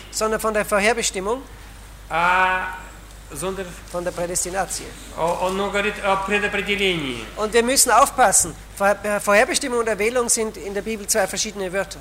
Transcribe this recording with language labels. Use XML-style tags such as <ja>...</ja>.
<de>sondern von der Vorherbestimmung. А von der Prädestination.</de> <ru>Он говорит о предопределении.</ru> <de>Und wir müssen aufpassen. Vorherbestimmung und Erwählung sind in der Bibel zwei verschiedene Wörter.</de>